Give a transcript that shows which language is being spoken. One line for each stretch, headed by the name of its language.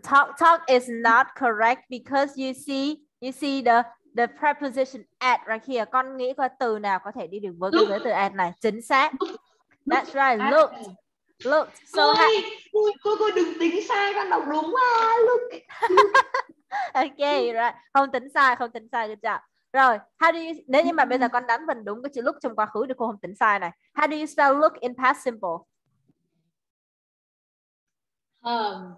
English: Talk, talk is not correct because you see the preposition at right here.
Vietnamese: Con nghĩ có từ nào có thể đi được với cái từ at này? Chính xác.
English: That's right. Look. Look, so
Vietnamese: cô đừng tính sai, con đọc đúng mà.
English: Look. Ok, right.
Vietnamese: Không tính sai được chưa? Rồi,
English: how do you,
Vietnamese: nếu như mà bây giờ con đánh mình đúng cái chữ look trong quá khứ thì cô không tính sai này.
English: How do you spell look in past simple?